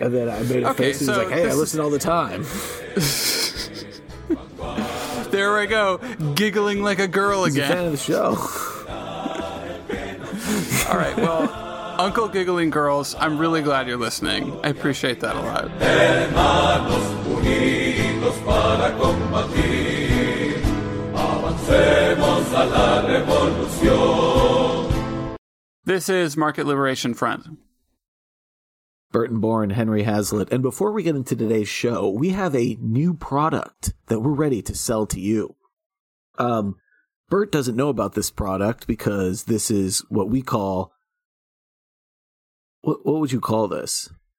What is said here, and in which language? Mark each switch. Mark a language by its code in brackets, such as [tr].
[en] And then I made a face and he's like, hey, I listen all the time. There I go, giggling like a girl again. He's a fan of the show. All right, well... Uncle Giggling Girls, I'm really glad you're listening. I appreciate that a lot. [es] Hermanos unidos para combatir, avancemos a la revolución. [en] This is Market Liberation Front. Burton Bourne, Henry Hazlitt. And before we get into today's show, we have a new product that we're ready to sell to you. Bert doesn't know about this product because this is what we call... What would you call this?